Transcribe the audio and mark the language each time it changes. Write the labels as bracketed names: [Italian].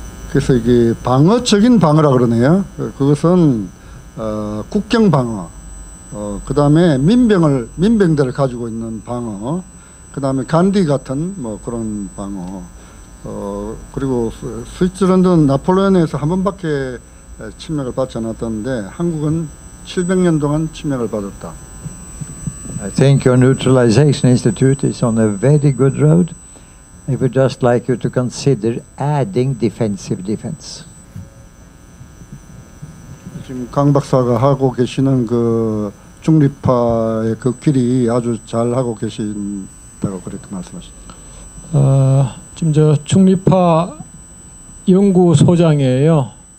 [Korean] 그래서 이게 방어적인 방어라 그러네요. 그것은 국경 방어, 그 다음에 민병들을 가지고 있는 방어, 그 다음에 간디 같은 뭐 그런 방어, 그리고 스위스랜드는 나폴레옹에서 한 번밖에 침략을 받지 않았던데 한국은 700년 동안 침략을 받았다. [English] I think your neutralization institute is on a very good road. I would just like you to consider adding defensive defense. [Korean] 지금 강 박사가 하고 계시는 그 중립화의 그 길이 아주 잘 하고 계신다고 그렇게 말씀하셨어요. 지금 저 중립화 연구소장이에요.